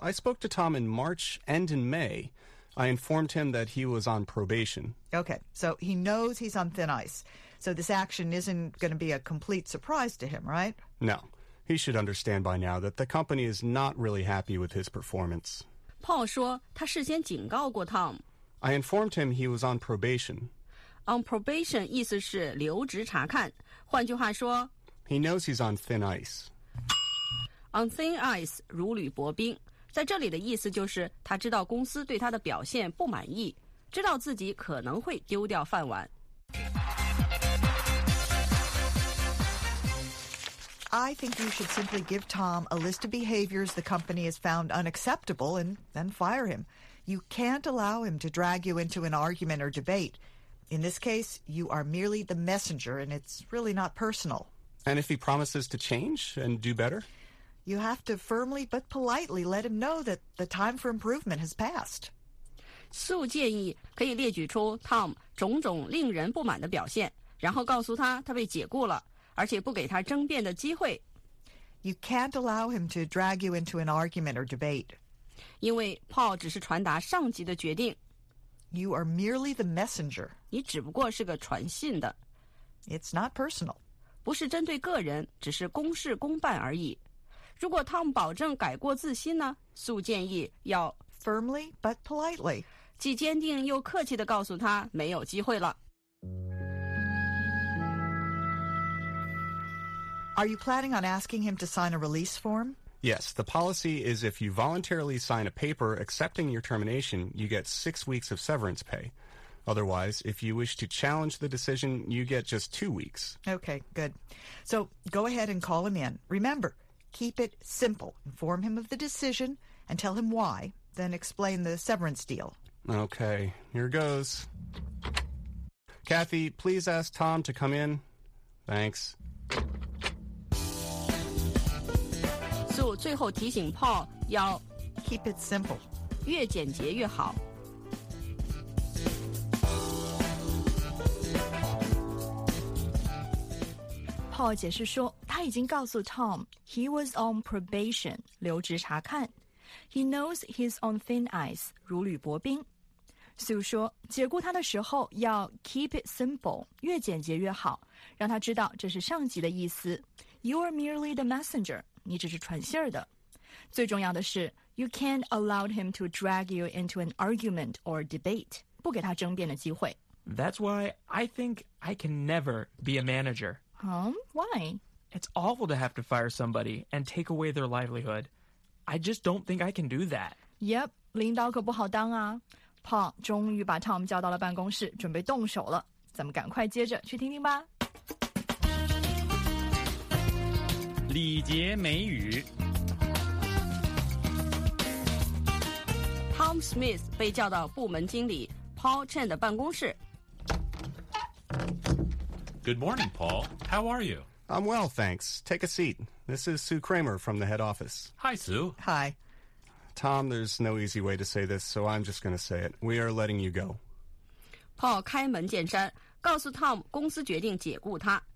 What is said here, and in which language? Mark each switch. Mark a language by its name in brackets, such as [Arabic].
[English] I spoke to Tom in March and in May. I informed him that he was on probation. Okay, so he knows he's on thin ice. So this action isn't going to be a complete surprise to him, right? No, he should understand by now that the company is not really happy with his performance. [Chinese] Paul 说他事先警告过 Tom。 [English] I informed him he was on probation. On probation [Chinese] 意思是留职查看。换句话说 [English] He knows he's on thin ice. On thin ice, [Chinese] 如履薄冰。在这里的意思就是他知道公司对他的表现不满意，知道自己可能会丢掉饭碗。 [English] I think you should simply give Tom a list of behaviors the company has found unacceptable and then fire him. You can't allow him to drag you into an argument or debate. In this case, you are merely the messenger, and it's really not personal. And if he promises to change and do better? You have to firmly but politely let him know that the time for improvement has passed. [Chinese] Sue 建议可以列举出 Tom 种种令人不满的表现，然后告诉他他被解雇了，而且不给他争辩的机会。 [English] You can't allow him to drag you into an argument or debate. [Chinese] 因为 Paul 只是传达上级的决定。 [English] You are merely the messenger. [Chinese] 你只不过是个传信的。 [English] It's not personal. [Chinese] 不是针对个人，只是公事公办而已。如果 Tom 保证改过自新呢？ Sue 建议要 [English] firmly but politely. [Chinese] 既坚定又客气地告诉他没有机会了。 [English] Are you planning on asking him to sign a release form? Yes, the policy is if you voluntarily sign a paper accepting your termination, you get 6 weeks of severance pay. Otherwise, if you wish to challenge the decision, you get just 2 weeks. Okay, good. So go ahead and call him in. Remember, keep it simple. Inform him of the decision and tell him why, then explain the severance deal. Okay, here goes. Kathy, please ask Tom to come in. Thanks. [Chinese] 最后提醒 Paul 要 [English] keep it simple， [Chinese] 越简洁越好。 Paul 解释说，他已经告诉 Tom [English] he was on probation， [Chinese] 留职查看。 [English] He knows he's on thin ice， [Chinese] 如履薄冰。 Sue 说，解雇他的时候要 [English] keep it simple， [Chinese] 越简洁越好，让他知道这是上级的意思。 [English] You are merely the messenger. [Chinese] 你只是传信儿的。最重要的是 [English] ,you can't allow him to drag you into an argument or debate, [Chinese] 不给他争辩的机会。 [English] That's why I think I can never be a manager. Why? It's awful to have to fire somebody and take away their livelihood. I just don't think I can do that. [Chinese] Yep, 领导可不好当啊。Paul 终于把 Tom 叫到了办公室准备动手了。咱们赶快接着去听听吧。礼节美语 Tom Smith 被叫到部门经理 Paul Chen 的办公室 [English] Good morning, Paul. How are you? I'm well, thanks. Take a seat. This is Sue Kramer from the head office. Hi, Sue. Hi. Tom, there's no easy way to say this, so I'm just going to say it. We are letting you go. [Chinese] Paul 开门见山，告诉 Tom 公司决定解雇他。